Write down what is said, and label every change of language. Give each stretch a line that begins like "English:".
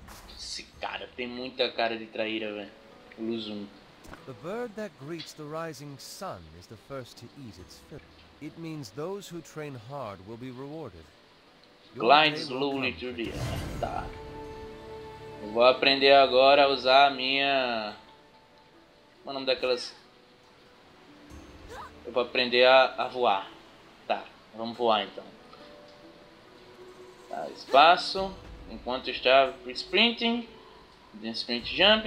Portuguese: Esse cara tem muita cara de traíra, velho. Luzum.
English: The bird that greets the rising sun is the first to eat its fill. It means those who train hard will be rewarded. Glide slowly through the air. Tá.
Portuguese: Eu vou aprender agora a usar a minha... Qual é o nome daquelas... Eu vou aprender a voar. Tá, vamos voar então. Tá, espaço. Enquanto está sprinting.
English: Then sprint jump.